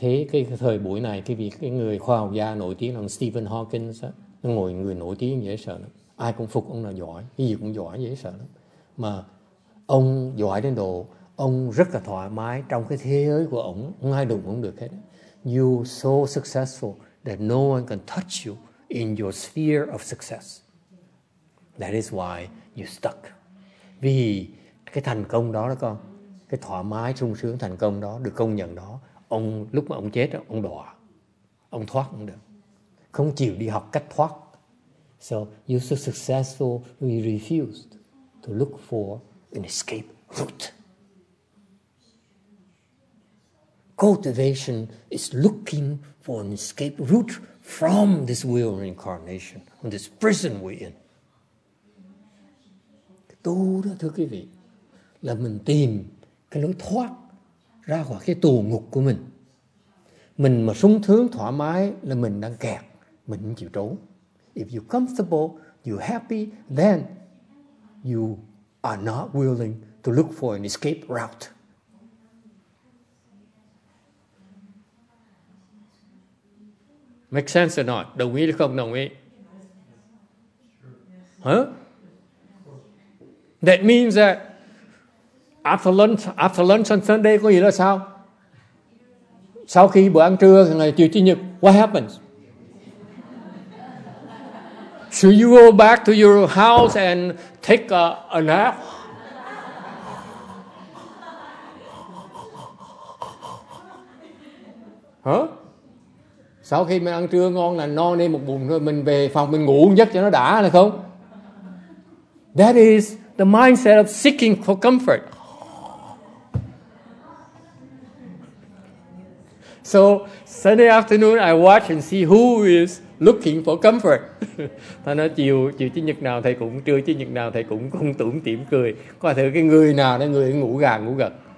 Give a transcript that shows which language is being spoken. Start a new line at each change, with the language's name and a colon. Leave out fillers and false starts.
Vietnamese: Cái thời buổi này, cái người khoa học gia nổi tiếng là Stephen Hawking á, người nổi tiếng dễ sợ lắm. Ai cũng phục ông là giỏi, cái gì cũng giỏi dễ sợ lắm. Mà ông giỏi đến độ, ông rất là thoải mái trong cái thế giới của ông, không ai đụng ông được hết.
English: You so successful that no one can touch you in your sphere of success. That is why you're stuck.
Vietnamese: Vì cái thành công đó đó con, cái thoải mái, sung sướng, thành công đó, được công nhận đó, ông lúc mà ông chết đó, ông đọa. Ông thoát không được. Không chịu đi học cách thoát.
English: So you're so successful, you refused to look for an escape route. Cultivation is looking for an escape route from this wheel of reincarnation, from this prison we're in.
Vietnamese: Tu đó thưa quý vị, là mình tìm cái lối thoát ra khỏi cái tù ngục của mình. Mình mà sung sướng thoải mái là mình đang kẹt, mình chịu trốn.
English: If you're comfortable, you're happy, then you are not willing to look for an escape route.
Vietnamese: Make sense or not? Đồng ý hay không đồng ý?
English: Huh? That means that after lunch on Sunday có nghĩa là sao?
Vietnamese: Sau khi bữa ăn trưa ngày chiều chủ nhật, what happens?
English: Should you go back to your house and take a nap? Huh?
Vietnamese: Sau khi mình ăn trưa ngon là no nên một bụng rồi mình về phòng mình ngủ giấc cho nó đã là không?
English: That is the mindset of seeking for comfort. So Sunday afternoon I watch and see who is looking for comfort.
Vietnamese: Thầy nói chiều chủ nhật nào thầy cũng trưa chủ nhật nào thầy cũng cũng tủm tỉm cười. Có thử cái người nào đó người ngủ gà ngủ gật.